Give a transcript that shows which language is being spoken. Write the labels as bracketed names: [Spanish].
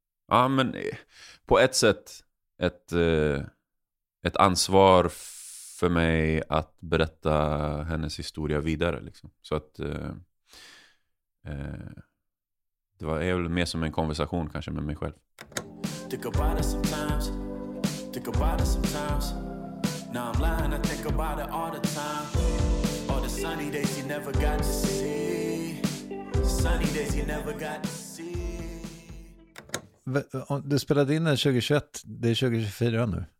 [Swedish] Ja, men på ett sätt ett ansvar för mig att berätta hennes historia vidare. Liksom. Så att... Det var väl mer som en konversation kanske med mig själv. [English] Think about it sometimes. Think about it sometimes. Now I'm lying, I think about it all the time. All the sunny days you never got to see. Sunny days you never got to see. [Swedish] Du spelade in den 2021, det är 2024 nu.